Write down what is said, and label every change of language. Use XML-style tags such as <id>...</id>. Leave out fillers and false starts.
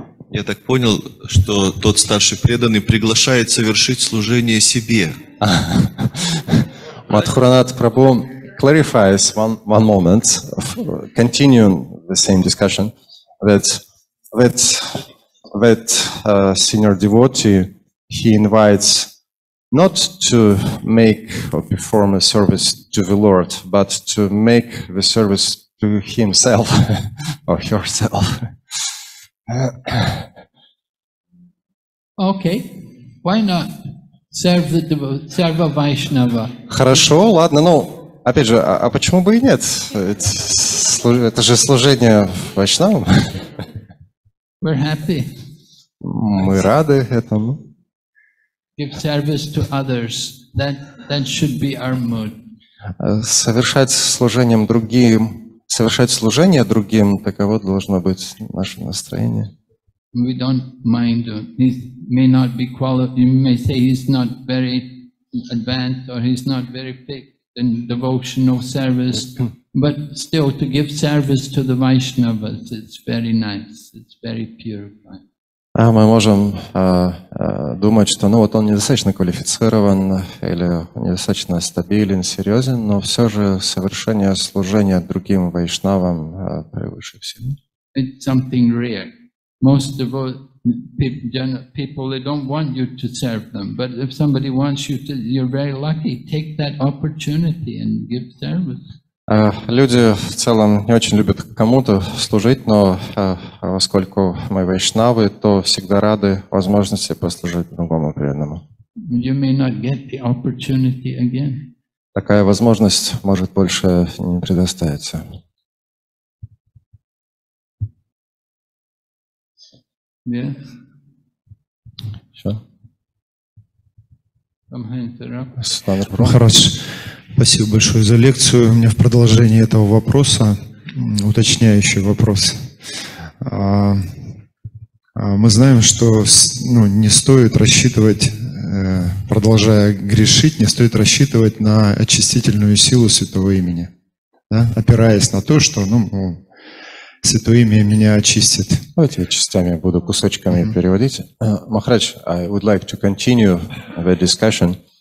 <ru>Я так понял, что тот старший преданный приглашает совершить служение себе.</ru> <en>Мадхуранат Прабху clarifies one moment, continuing the same discussion, that senior devotee, he invites not to make or perform a service to the Lord, but to make the service to himself or yourself. Okay, why not serve the devotee, serve a Vaishnava?</en> <ru>Хорошо, ладно, но опять же, а почему бы и нет? Это же служение Вайшнавам.</ru> <en>We're happy.</en> <ru>Мы рады этому.</ru> <en>Give service to others. That should be our mood.</en> <ru>Совершать служение другим, таково должно быть наше настроение.</ru> <en>We don't mind. He may not be qualified. You may say he's not very advanced or he's not very picked in devotional service. But still, to give service to the Vaishnavas, it's very nice. It's very purifying.</en> <ru>А мы можем думать, что ну вот он недостаточно квалифицирован или недостаточно стабилен, серьезен, но все же совершение служения другим вайшнавам превыше всего.</ru> <en>It's something rare. Most of all, people they don't want you to serve them. But if somebody wants you to, you're very lucky. Take that opportunity and give service.</en> <ru>Люди в целом не очень любят кому-то служить, но поскольку мы вайшнавы, то всегда рады возможности послужить другому преданному.</ru> <en>You may not get the opportunity again.</en> <ru>Такая возможность может больше не предоставиться.</ru> <en>Yes.</en> <ru>Хорош. Спасибо большое за лекцию. У меня в продолжении этого вопроса уточняющий вопрос. Мы знаем, что ну, не стоит рассчитывать, продолжая грешить, не стоит рассчитывать на очистительную силу Святого Имени, да? Опираясь на то, что ну, Святое Имя меня очистит. Давайте я частями буду кусочками переводить.</ru> <en>Махарадж, I would like to continue the discussion.</en>